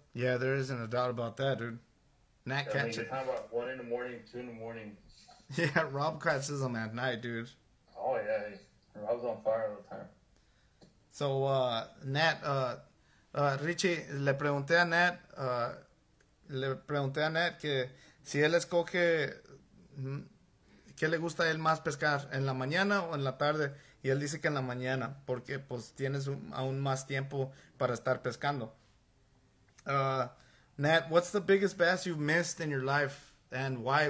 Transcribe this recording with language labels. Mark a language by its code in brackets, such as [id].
[en] Yeah, there isn't a doubt about that, dude. Nat catches. You're talking about 1 in the morning, 2 in the morning. Yeah, Rob catches them at night, dude. Oh, yeah, Rob's on fire all the time. [es] So, Nat, Richie, le pregunté a Nat que si él escoge, ¿qué le gusta a él más pescar, en la mañana o en la tarde? Y él dice que en la mañana, porque pues tienes aún más tiempo para estar pescando. [en] Nat, what's the biggest bass you've missed in your life, and why?